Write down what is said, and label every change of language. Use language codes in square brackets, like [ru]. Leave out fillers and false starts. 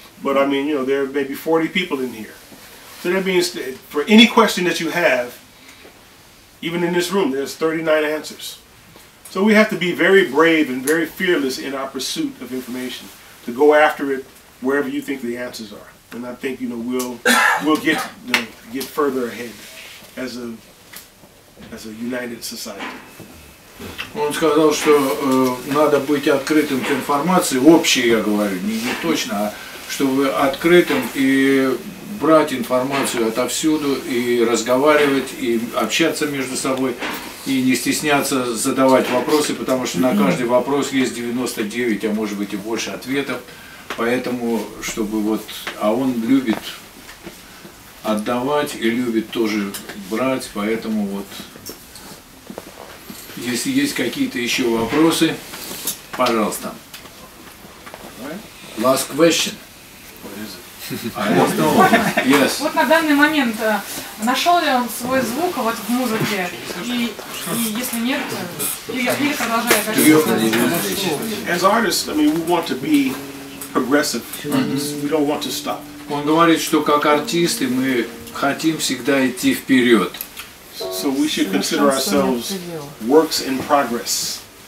[en] But I mean, you know, there are maybe 40 people in here. So that means that for any question that you have, even in this room, there's 39 answers. So we have to be very brave and very fearless in our pursuit of information, to go after it wherever you think the answers are. And I think, you know, we'll get further ahead as a united society. [ru] Он сказал, что надо быть открытым к информации, общей, я говорю, не точно, а чтобы открытым и брать информацию отовсюду, и разговаривать, и общаться между собой, и не стесняться задавать вопросы, потому что на каждый вопрос есть 99, а может быть и больше ответов. Поэтому, чтобы вот, а он любит отдавать и любит тоже брать, поэтому вот... Если есть какие-то еще вопросы, пожалуйста. [en] Last question. What is it? I don't know. Yes. [ru] Вот на данный момент нашел ли он свой звук вот в музыке? И если нет, или продолжает. [en] As artists, I mean, we want to be progressive. Mm-hmm. We don't want to stop. [ru] Он говорит, что как артисты мы хотим всегда идти вперед. [en] So we should consider ourselves works in progress.